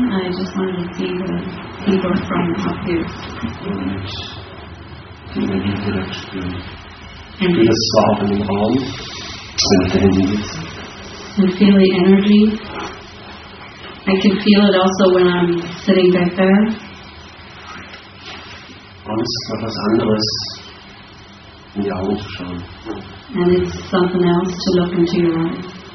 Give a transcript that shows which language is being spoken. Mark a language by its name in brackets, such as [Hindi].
[English] I just wanted to see the people from up here. Be a soft in the palm. And feel the energy. I can feel it also when I'm sitting back there. [German] Und es ist noch was anderes, in die Augen zu schauen. [English] And it's something else to look into your eyes.